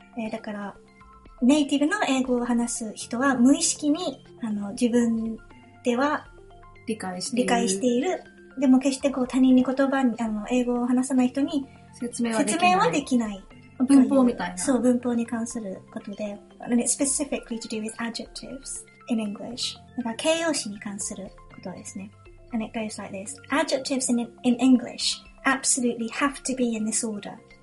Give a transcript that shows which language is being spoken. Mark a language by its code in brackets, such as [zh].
[ja] だからネイティブの英語を話す人は無意識に自分では理解している。でも決してこう他人に言葉に英語を話さない人に説明はできない。文法みたいな。そう、文法に関することで。 [en] And it's specifically to do with adjectives in English. [ja] だから形容詞に関することですね。 [en] And it goes like this. Adjectives in English absolutely have to be in this order.